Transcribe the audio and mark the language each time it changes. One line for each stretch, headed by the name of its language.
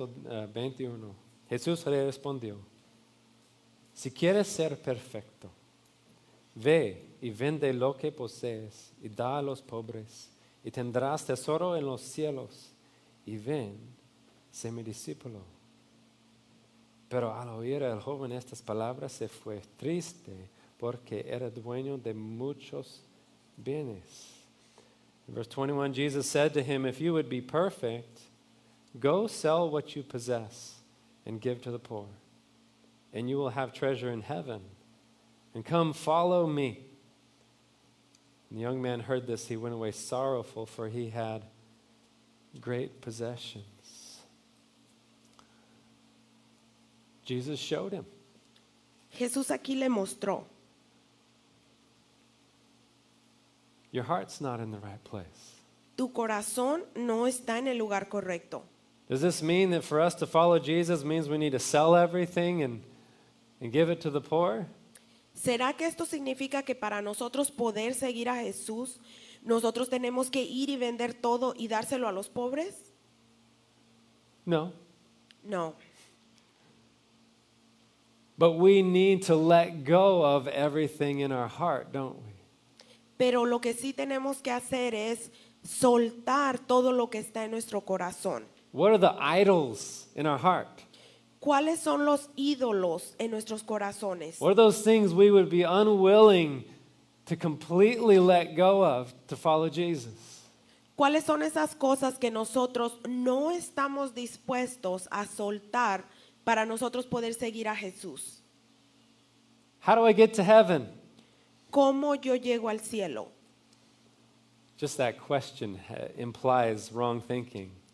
Spanish: 21, Jesús le respondió, si quieres ser perfecto, ve y vende lo que posees y da a los pobres y tendrás tesoro en los cielos y ven, sé mi discípulo. Pero al oír el joven estas palabras se fue triste porque era dueño de muchos bienes.
English: Verse 21, Jesus said to him, if you would be perfect, go sell what you possess and give to the poor, and you will have treasure in heaven. And come, follow me. And the young man heard this, he went away sorrowful, for he had great possessions. Jesus showed him.
Spanish: Jesús aquí le mostró.
English: Your heart's not in the right place.
Spanish: Tu corazón no está en el lugar correcto.
English: Does this mean that for us to follow Jesus means we need to sell everything and give it to the poor?
Spanish: ¿Será que esto significa que para nosotros poder seguir a Jesús, nosotros tenemos que ir y vender todo y dárselo a los pobres?
English: No.
Spanish: No.
English: But we need to let go of everything in our heart, don't we?
Spanish: Pero lo que sí tenemos que hacer es soltar todo lo que está en nuestro corazón.
English: What are the idols in our heart?
Spanish: ¿Cuáles son los ídolos en nuestros corazones?
English: What are those things we would be unwilling to completely let go of to follow Jesus?
Spanish: ¿Cuáles son esas cosas que nosotros no estamos dispuestos a soltar para nosotros poder seguir a Jesús?
English: How do I get to heaven?
Spanish: ¿Cómo yo llego al cielo?
English: Just that question implies wrong thinking.